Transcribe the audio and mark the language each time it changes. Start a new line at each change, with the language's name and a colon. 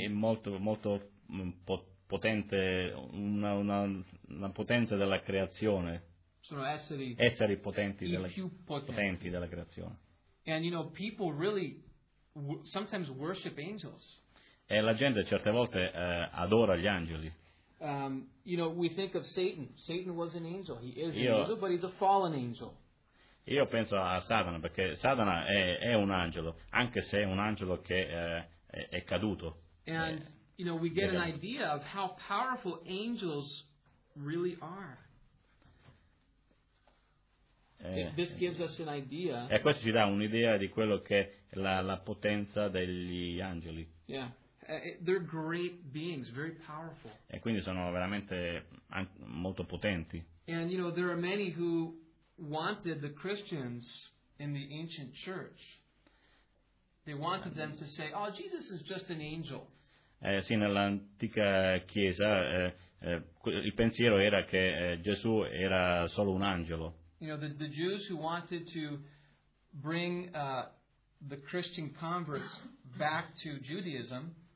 Italian: È molto molto potente, una potenza della creazione. Sono esseri, esseri potenti, i della, più potenti. Potenti della creazione.
English: And you know, people really sometimes worship angels.
Italian: E la gente certe volte adora gli angeli.
English: You know, we think of Satan. Satan was an angel. He is an angel, but he's a fallen angel.
Italian: Io penso a Satana, perché Satana è un angelo, anche se è un angelo che è caduto.
English: And you know, we get an idea of how powerful angels really are. This gives us an idea.
Italian: E questo ci dà un'idea di quello che è la potenza degli angeli.
English: Yeah, they're great beings, very powerful.
Italian: E quindi sono veramente molto potenti.
English: And you know, there are many who wanted the Christians in the ancient church. They wanted them to say, "Oh, Jesus is just an angel."
Italian: Sì, nell'antica chiesa il pensiero era che Gesù era solo un angelo.
English: You know, the Jews who wanted to bring the Christian converts back to Judaism.